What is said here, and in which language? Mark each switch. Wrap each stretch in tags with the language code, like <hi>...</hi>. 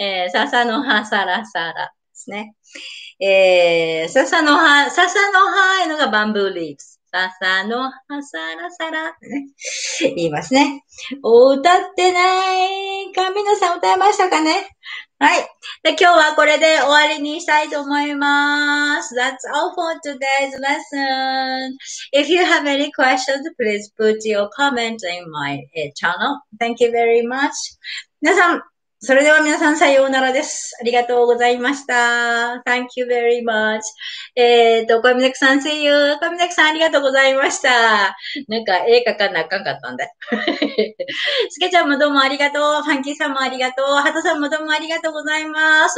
<ja>笹の葉さらさらですね。笹の葉いうのがバンブーリーフ。笹の葉さらさら言いますね。歌ってない。皆さん歌いましたかね。はい。で、今日はこれで終わりにしたいと思います。</ja> <en>That's all for today's lesson. If you have any questions, please put your comment in my channel. Thank you very much.</en> <ja>皆さん、それでは皆さんさようならです。ありがとうございました。</ja> <en>Thank you very much. 小峰さん、See you.</en> <ja>小峰さん、ありがとうございました。なんか、絵描かなあかんかったんで。スケちゃんもどうもありがとう。ファンキーさんもありがとう。ハトさんもどうもありがとうございます。</ja>